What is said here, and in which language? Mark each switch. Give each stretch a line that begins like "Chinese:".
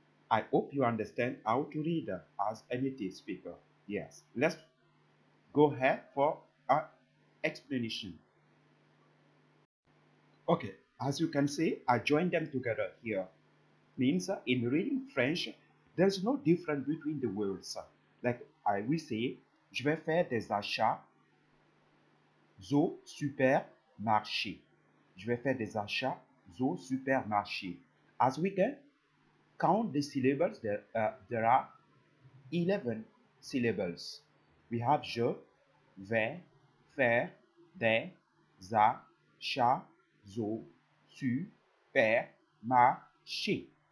English: I hope you understand how to read as a native speaker. Yes, let's go ahead for an explanation. Okay, as you can see, I joined them together here. Means in reading French, there's no difference between the words. Like I will say,
French: je vais faire des achats au supermarché. Je vais faire des achats au supermarché.
English: As we can count the syllables, there are 11 syllables. We have
French: je vais faire des achats au supermarché.